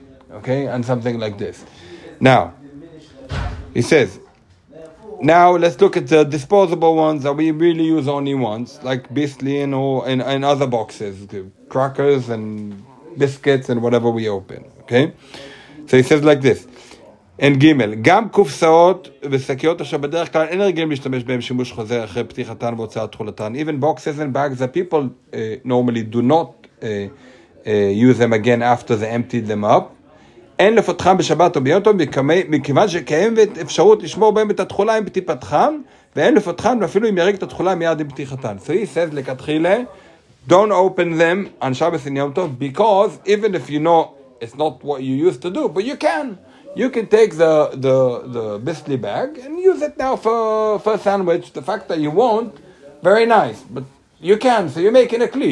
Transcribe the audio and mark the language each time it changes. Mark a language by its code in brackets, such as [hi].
[en] Okay, and something like this. Now, he says, now let's look at the disposable ones that we really use only once, like Bisley and other boxes, crackers and biscuits and whatever we open. Okay, so he says like this. [he] And Gimel, גם קופסאות וסקיות אשר בדרך כלל אין רגילים להשתמש בהם שימוש חוזר אחרי פתיחתן והוצאת תחולתן. [en] Even boxes and bags that people normally do not use them again after they emptied them up. [he] אין לפותחם בשבת או ביום טוב, מכיוון שקיימת אפשרות לשמור בהם את התחולה עם פתיחתם, ואין לפותחם ואפילו אם ירק את התחולה מיד עם פתיחתם. [en] So he says, לכתחילה, don't open them on Shabbos and Yom Tov, because even if you're not It's not what you used to do, but you can. You can take the Bisley bag and use it now for a sandwich. The fact that you won't, very nice. But you can, so you're making a kli.